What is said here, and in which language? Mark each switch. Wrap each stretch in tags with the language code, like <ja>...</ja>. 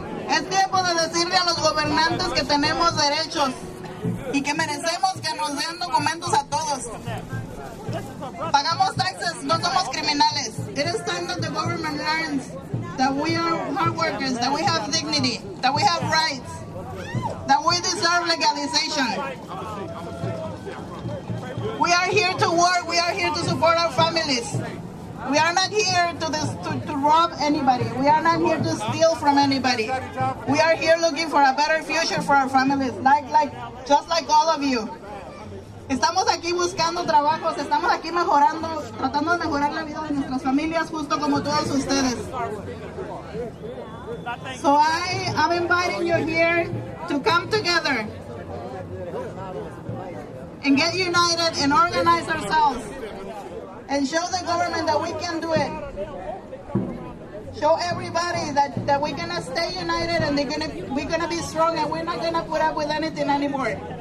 <es>Es tiempo de decirle a los gobernantes que tenemos derechos y que merecemos que nos den documentos a todos. Pagamos taxes, no somos criminales.</es> <en>It is time that the government learns that we are hard workers, that we have dignity, that we have rights, that we deserve legalization. We are here to work, we are here to support our families. We are not here to rob anybody. We are not here to steal from anybody. We are here looking for a better future for our families, like just like all of you.</en> <es>Estamos aquí buscando trabajos, estamos aquí mejorando, tratando de mejorar la vida de nuestras familias justo como todos ustedes.</es> <en>So I'm inviting you here to come together and get united and organize ourselves and show the government that we can do it. Show everybody that we're gonna stay united and we're gonna be strong and we're not gonna put up with anything anymore.</en>